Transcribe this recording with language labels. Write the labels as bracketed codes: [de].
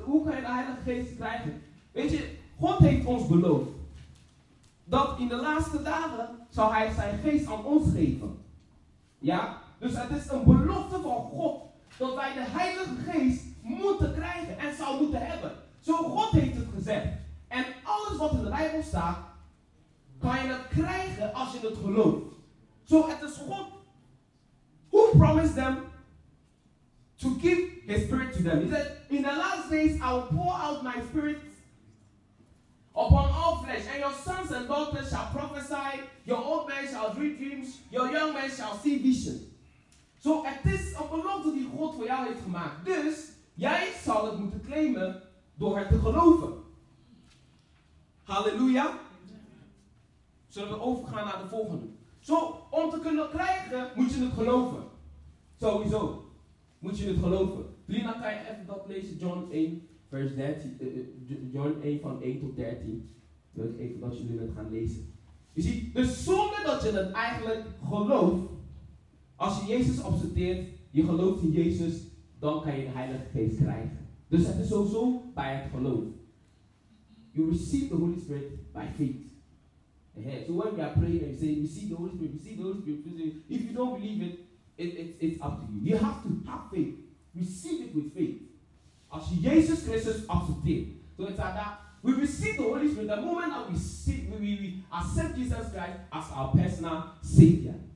[nl] Hoe kan je de Heilige Geest krijgen? Weet je, God heeft ons beloofd dat in de laatste dagen zou Hij zijn Geest aan ons geven. Ja. Dus het is een belofte van God dat wij de Heilige Geest moeten krijgen en zou moeten hebben. Zo God heeft het gezegd. En alles wat in de Bijbel staat, kan je dat krijgen als je het gelooft. [en] So it is God who promised them to give his spirit to them. He said, in the last days I will pour out my spirit upon all flesh, and your sons and daughters shall prophesy, your old men shall dream dreams, your young men shall see vision. So it is a [nl] belofte die God voor jou heeft gemaakt. Dus jij zal het moeten claimen door het te geloven. Hallelujah. Zullen we overgaan naar de volgende? Zo, om te kunnen krijgen, moet je het geloven. Sowieso. Moet je het geloven. Lina, kan je even dat lezen? John 1, vers 13. John 1, van 1 tot 13. Ik wil even dat jullie het gaan lezen. Je ziet, dus zonder dat je het eigenlijk gelooft, als je Jezus accepteert, je gelooft in Jezus, dan kan je de Heilige Geest krijgen. Dus het is sowieso bij het geloof. [en] You receive the Holy Spirit by faith. Ahead. So when we are praying and saying, you see the Holy Spirit, you see the Holy Spirit, you see, if you don't believe it, it's up to you. You have to have faith. Receive it with faith. As Jesus Christ is up to faith. So it's like that. We receive the Holy Spirit the moment that we accept Jesus Christ as our personal Savior.